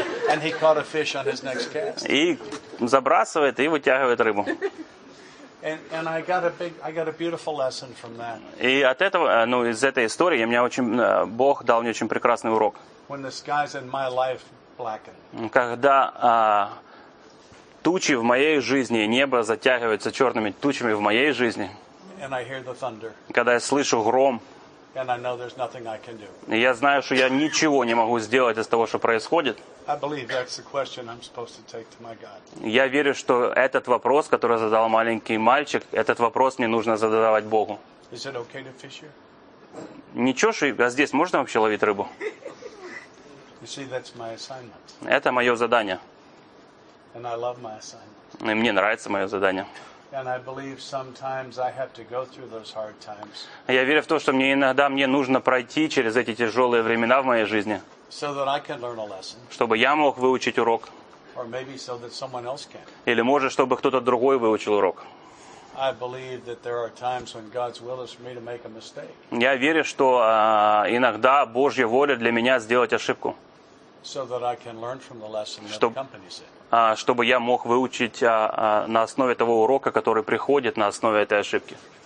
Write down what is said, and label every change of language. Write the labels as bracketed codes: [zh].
[en] And he caught a fish on his next cast. [ru] И забрасывает, и вытягивает рыбу. [en] And I got a beautiful lesson from that. [ru] И от этого, ну, из этой истории, мне очень, Бог дал мне очень прекрасный урок. [en] When the skies in my life blacken. [ru] Когда тучи в моей жизни, небо затягивается черными тучами в моей жизни. [en] And I hear the thunder. [ru] Когда я слышу гром. [en] And I know there's nothing I can do. [ru] Я знаю, что я ничего не могу сделать из того, что происходит. [en] I believe that's the question I'm supposed to take to my God. [ru] Я верю, что этот вопрос, который задал маленький мальчик, этот вопрос мне нужно задавать Богу. [en] Is it okay to fish here? [ru] Ничего, что а здесь можно вообще ловить рыбу? [en] You see, that's my assignment. [ru] Это мое задание. [en] And I love my assignment. [ru] И мне нравится мое задание. [en] And I believe sometimes I have to go through those hard times. [ru] Я верю в то, что мне иногда мне нужно пройти через эти тяжелые времена в моей жизни. [en] So that I can learn a lesson. [ru] Чтобы я мог выучить урок. [en] Or maybe so that someone else can. [ru] Или может, чтобы кто-то другой выучил урок. [en] I believe that there are times when God's will is for me to make a mistake. [ru] Я верю, что иногда Божья воля для меня сделать ошибку. [en] So that I can learn from the lesson that accompanies it. [ru] Чтобы я мог выучить на основе того урока, который приходит на основе этой ошибки.